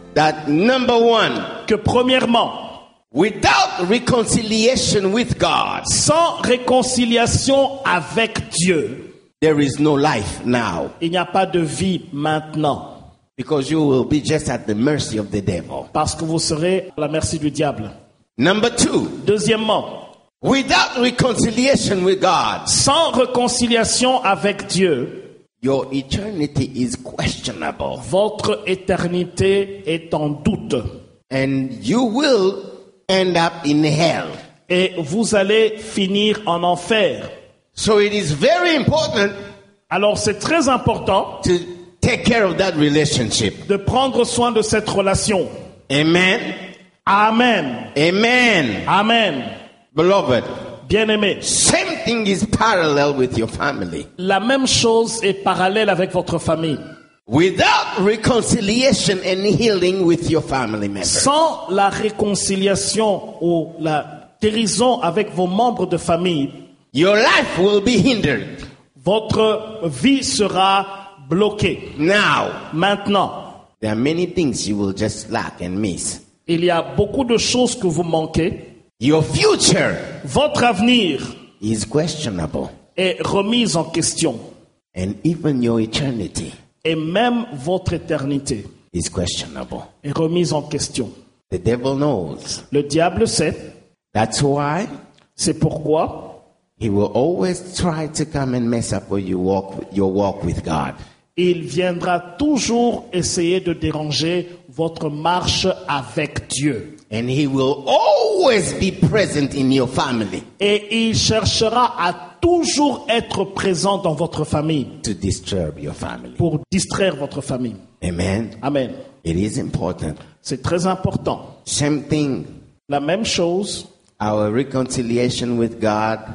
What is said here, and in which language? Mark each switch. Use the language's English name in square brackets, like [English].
[English] That number one. [French] Que premièrement. [English] Without reconciliation with God, [French] sans réconciliation avec Dieu, [English] there is no life now. [French] Il n'y a pas de vie maintenant. [English] Because you will be just at the mercy of the devil. [French] Parce que vous serez à la merci du diable. [English] Number two. [French] Deuxièmement. [English] Without reconciliation with God, [French] sans réconciliation avec Dieu, [English] your eternity is questionable. [French] Votre éternité est en doute. [English] And you will end up in hell. [French] Et vous allez finir en enfer. [English] So it is very important. [French] Alors c'est très important. [English] To take care of that relationship. [French] De prendre soin de cette relation. [English] Amen. [French] Amen. [English] Amen. [French] Amen. [English] Beloved. [French] Bien-aimé. [English] Same thing is parallel with your family. [French] La même chose est parallèle avec votre famille. [English] Without reconciliation and healing with your family members. [French] Sans la réconciliation ou la guérison avec vos membres de famille, [English] your life will be hindered. [French] Votre vie sera bloquée. [English] Now, [French] maintenant, [English] there are many things you will just lack and miss. [French] Il y a beaucoup de choses que vous manquez. [English] Your future, [French] votre avenir, [English] is questionable. [French] Est remis en question. [English] And even your eternity, [French] et même votre éternité, [English] is questionable. [French] Est remise en question. [English] The devil knows. [French] Le diable sait. [English] That's why. [French] C'est pourquoi. [English] He will always try to come and mess up your walk with God. [French] Il viendra toujours essayer de déranger votre marche avec Dieu. [English] And he will always be present in your family. [French] Et il cherchera à toujours être présent dans votre famille. [English] To disturb your family. [French] Pour distraire votre famille. [English] Amen. [French] Amen. [English] It is important. [French] C'est très important. [English] Same thing. [French] La même chose. [English] Our reconciliation with God.